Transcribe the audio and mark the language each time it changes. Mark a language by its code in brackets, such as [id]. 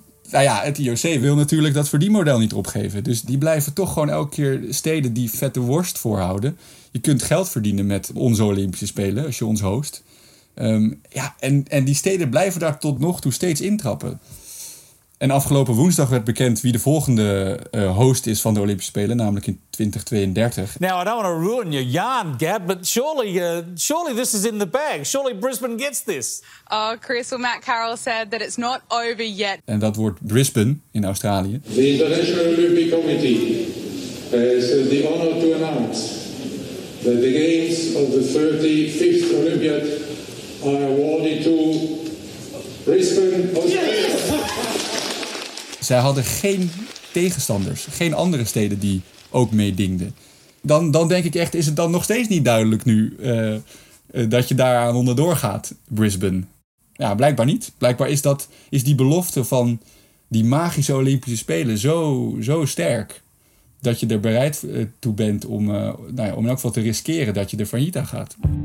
[nl] Nou ja, het IOC wil natuurlijk dat verdienmodel niet opgeven. Dus die blijven toch gewoon elke keer steden die vette worst voorhouden. Je kunt geld verdienen met onze Olympische Spelen als je ons host. En die steden blijven daar tot nog toe steeds intrappen. En afgelopen woensdag werd bekend wie de volgende host is van de Olympische Spelen, namelijk in 2032. [en] Now, I don't want to ruin your yarn, Gab, but surely this is in the bag. Surely Brisbane gets this. Oh, Chris, well, Matt Carroll said that it's not over yet. [nl] En dat wordt Brisbane in Australië. [en] The International Olympic Committee has the honor to announce that the games of the 35th Olympiad are awarded to Brisbane, Australia. Yes! [nl] Zij hadden geen tegenstanders, geen andere steden die ook meedingden. Dan denk ik echt, is het dan nog steeds niet duidelijk nu dat je daaraan onderdoor gaat, Brisbane? Ja, blijkbaar niet. Blijkbaar is die belofte van die magische Olympische Spelen zo sterk dat je er bereid toe bent om in elk geval te riskeren dat je er failliet aan gaat.